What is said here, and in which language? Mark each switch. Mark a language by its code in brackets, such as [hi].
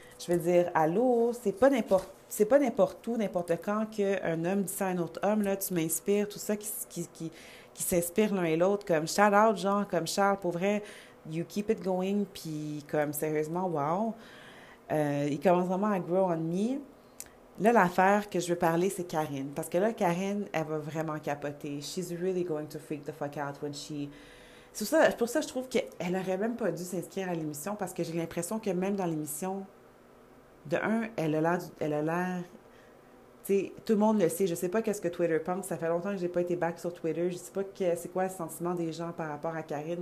[fr] Je veux dire, allô, c'est pas n'importe où, n'importe quand qu'un homme dit ça à un autre homme, là, tu m'inspires, tout ça, qui s'inspire l'un et l'autre, comme shout out, genre, comme Charles, pour vrai, [en] you keep it going, [fr] puis comme sérieusement, wow. Il commence vraiment à grow on me. Là, l'affaire que je veux parler, c'est Karine. Parce que là, Karine, elle va vraiment capoter. [en] She's really going to freak the fuck out when she. [fr] C'est pour ça que je trouve qu'elle n'aurait même pas dû s'inscrire à l'émission. Parce que j'ai l'impression que même dans l'émission, de un, elle a l'air. Tu sais, tout le monde le sait. Je ne sais pas qu'est-ce que Twitter pense. Ça fait longtemps que je n'ai pas été back sur Twitter. Je ne sais pas c'est quoi le sentiment des gens par rapport à Karine.